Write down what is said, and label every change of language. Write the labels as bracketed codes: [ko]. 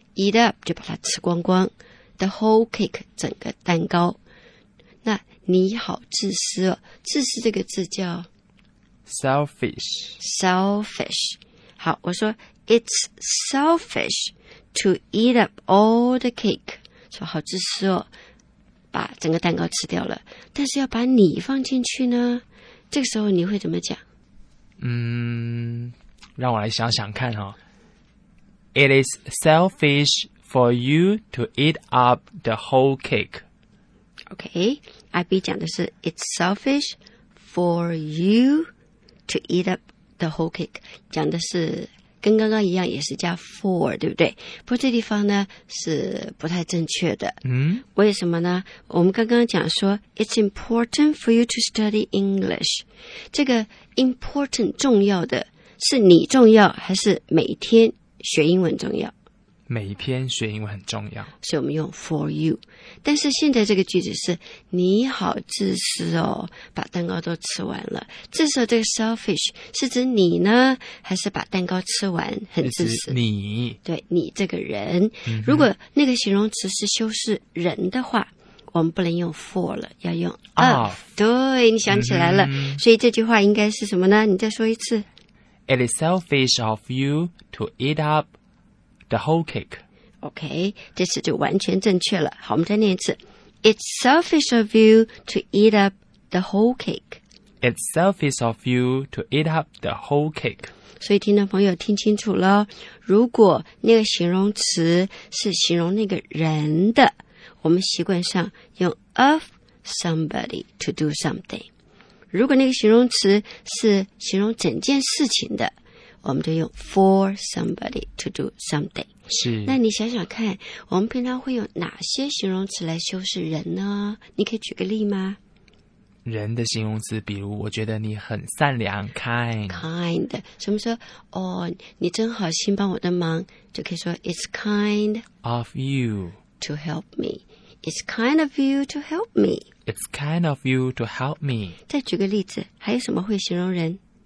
[en] Eat up [zh] 就把它吃光光 [en] The whole cake [zh] 整个蛋糕那你好自私哦自私这个字叫 [en] Selfish. Selfish. [zh] 好，我说 [en] It's selfish to eat up all the cake. [zh] 说好自私哦，把整个蛋糕吃掉了。但是要把你放进去呢，这个时候你会怎么讲？让我来想想看哦。 [en] It is selfish for you to eat up the whole cake. Okay, IB [zh] 讲的是 [en] It's selfish for you. To eat up the whole cake [zh] 讲的是跟刚刚一样也是加 for 对不对不过这地方呢是不太正确的为什么呢我们刚刚讲说 [en] It's important for you to study English [zh] 这个 important 重要的是你重要还是每天学英文重要每天学英文很重要所以我们用 [en] for you [zh] 但是现在这个句子是你好自私哦把蛋糕都吃完了这时候这个 selfish 是指你呢还是把蛋糕吃完很自私你对你这个人如果那个形容词是修饰人的话我们不能用 for 了要用 of 对你想起来了所以这句话应该是什么呢你再说一次 [en] It is selfish of you to eat upThe whole cake. [zh] Okay, 这次就完全正确了。好，我们再念一次。 [en] It's selfish of you to eat up the whole cake. It's selfish of you to eat up the whole cake. [zh] 所以听众朋友听清楚了，如果那个形容词是形容那个人的，我们习惯上用 [en] of somebody to do something。 [zh] 如果那个形容词是形容整件事情的，我们就用 [en] for somebody to do something [zh] 是那你想想看我们平常会用哪些形容词来修饰人呢你可以举个例吗人的形容词比如我觉得你很善良 kind 什么说哦你真好心帮我的忙就可以说 [en] it's kind of you to help me it's kind of you to help me it's kind of you to help me [zh] 再举个例子还有什么会形容人